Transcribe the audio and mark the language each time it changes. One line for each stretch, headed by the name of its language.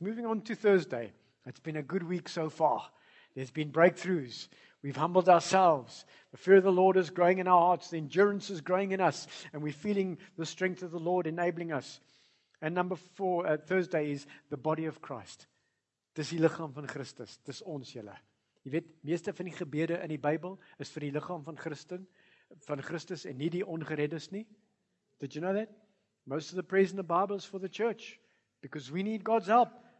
English: Moving on to Thursday. It's been a good week so far. There's been breakthroughs. We've humbled ourselves. The fear of the Lord is growing in our hearts. The endurance is growing in us. And we're feeling the strength of the Lord enabling us. And number four, Thursday is the body of Christ.
Afrikaans: Dis die liggaam van Christus. Dis ons julle. Jy weet, meeste van die gebede in die Bybel is vir die liggaam van Christen, van Christus en nie die ongereddes nie.
English: Did you know that? Most of the prayers in the Bible is for the church because we need God's help.